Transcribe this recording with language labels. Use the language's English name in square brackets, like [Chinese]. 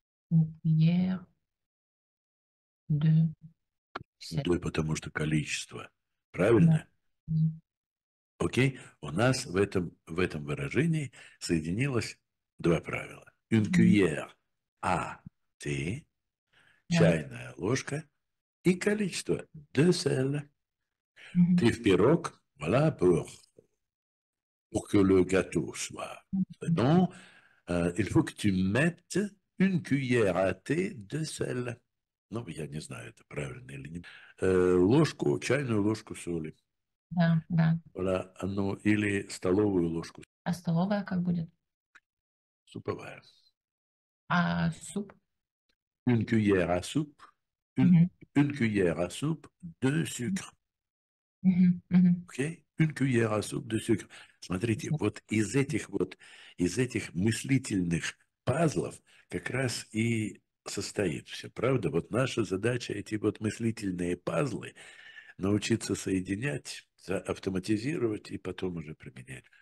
[French] Une cuillère de sel. [Russian] Да, потому что количество. Правильно? Окей. У нас в этом выражении соединилось два правила. [French] Une cuillère à thé. [Russian] Чайная ложка. И количество [French] de sel. [Russian] Ты в пирог, [French] voilà, pour que le gâteau soit bon, il faut que tu mettes une cuillère à thé de sel. Non, [Russian] я не знаю, это правильно или нет. Ложку, чайную ложку соли. Да. [French] Voilà, [Russian] ну, или столовую ложку. А столовая как будет? Суповая. А суп? [French] Une cuillère à soupe. Une cuillère à soupe de sucre. OK? Une cuillère à soupe de sucre. [Russian] Смотрите, вот из этих мыслительных пазлов как раз и состоит все, правда? Вот наша задача эти вот мыслительные пазлы научиться соединять, автоматизировать и потом уже применять.